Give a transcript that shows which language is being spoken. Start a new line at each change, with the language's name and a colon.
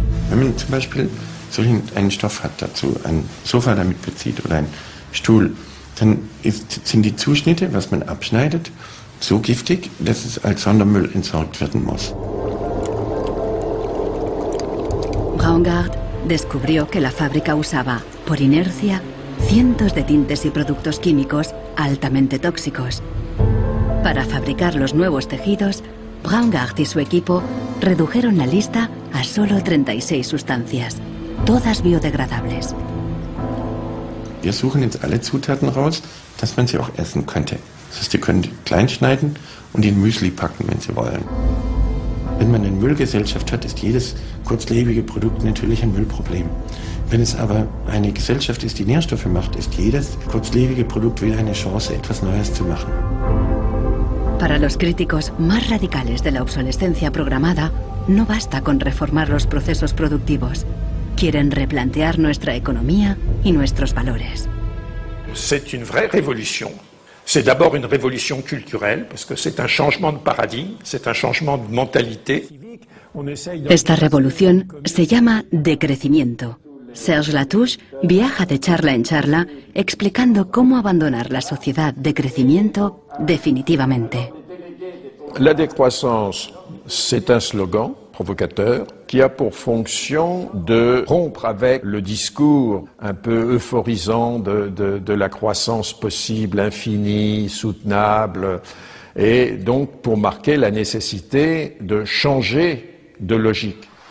German: Wenn man zum Beispiel solchen einen Stoff hat dazu, ein Sofa damit bezieht oder ein Stuhl, dann sind die Zuschnitte, was man abschneidet, so giftig, dass es als Sondermüll entsorgt werden muss.
Spanish: Braungart descubrió que la fábrica usaba, por inercia, cientos de tintes y productos químicos altamente tóxicos. Para fabricar los nuevos tejidos, Braungart y su equipo redujeron la lista a solo 36 sustancias, todas biodegradables.
German: Wir suchen jetzt alle Zutaten raus, dass man sie auch essen könnte. Das heißt, sie können klein schneiden und in Müsli packen, wenn sie wollen. Wenn man eine Müllgesellschaft hat, ist jedes kurzlebige Produkt natürlich ein Müllproblem. Wenn es aber eine Gesellschaft ist, die Nährstoffe macht, ist jedes kurzlebige Produkt wieder eine Chance, etwas Neues zu machen.
Spanish: Para los críticos más radicales de la obsolescencia programada, no basta con reformar los procesos productivos. Quieren replantear nuestra economía y nuestros valores.
French: C'est une vraie révolution. C'est d'abord une révolution culturelle, parce que c'est un changement de paradigme, c'est un changement de mentalité.
Spanish: Esta revolución se llama decrecimiento. Serge Latouche viaja de charla en charla explicando cómo abandonar la sociedad de crecimiento definitivamente.
French: La décroissance, c'est un slogan provocateur qui a pour fonction de rompre avec le discours un peu euphorisant de la croissance possible, infinie, soutenable, et donc pour marquer la nécessité de changer de logique.